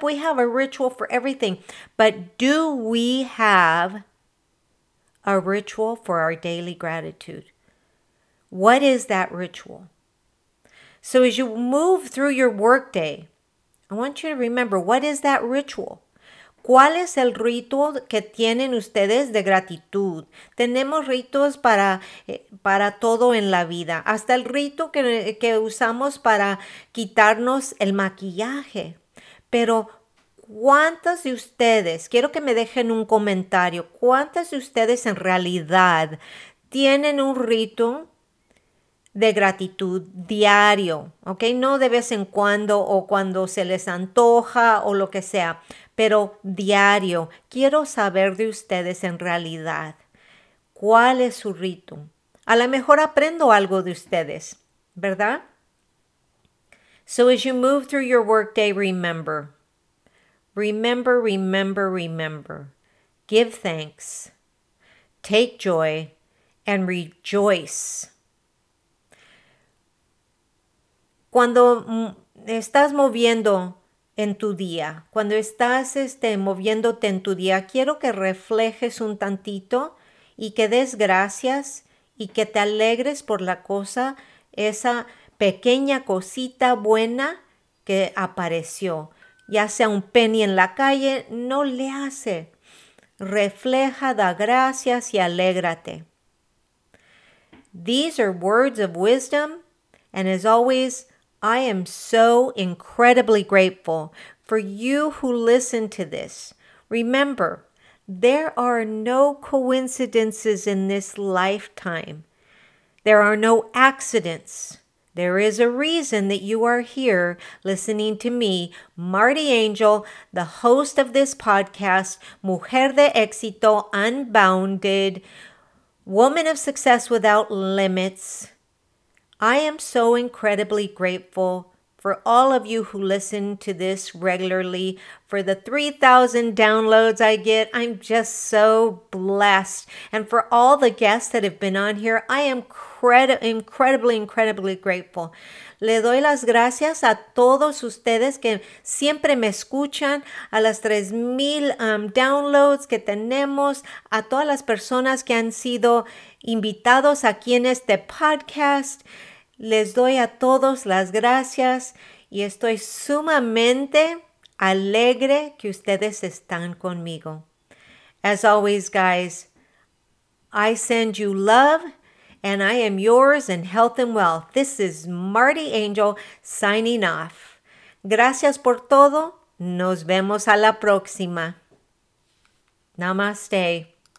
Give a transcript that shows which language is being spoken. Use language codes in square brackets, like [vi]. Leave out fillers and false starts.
[en] We have a ritual for everything. But do we have a ritual for our daily gratitude? What is that ritual? So as you move through your workday, I want you to remember, what is that ritual? [es] ¿Cuál es el rito que tienen ustedes de gratitud? Tenemos ritos para todo en la vida. Hasta el rito que usamos para quitarnos el maquillaje. Pero, ¿cuántas de ustedes? Quiero que me dejen un comentario. ¿Cuántas de ustedes en realidad tienen un rito de gratitud diario? ¿Ok? No de vez en cuando o cuando se les antoja o lo que sea. Pero diario, quiero saber de ustedes en realidad, ¿cuál es su rito? A lo mejor aprendo algo de ustedes, ¿verdad? [en] So as you move through your workday, remember. Remember, remember, remember. Give thanks, take joy, and rejoice. [es] Cuando estás moviendo en tu día, cuando estás moviéndote en tu día, quiero que reflejes un tantito y que des gracias y que te alegres por la cosa, esa pequeña cosita buena que apareció, ya sea un penny en la calle, no le hace. Refleja, da gracias y alégrate. [en] These are words of wisdom, and as always, I am so incredibly grateful for you who listen to this. Remember, there are no coincidences in this lifetime. There are no accidents. There is a reason that you are here listening to me, Marty Angel, the host of this podcast, Mujer de Éxito Unbounded, Woman of Success Without Limits. I am so incredibly grateful for all of you who listen to this regularly, for the 3,000 downloads I get. I'm just so blessed. And for all the guests that have been on here, I am incredibly grateful. [es] Le doy las gracias a todos ustedes que siempre me escuchan, a las 3,000 downloads que tenemos, a todas las personas que han sido invitados aquí en este podcast. Les doy a todos las gracias y estoy sumamente alegre que ustedes están conmigo. [en] As always, guys, I send you love and I am yours in health and wealth. This is Marty Angel signing off. [es] Gracias por todo. Nos vemos a la próxima. Namaste.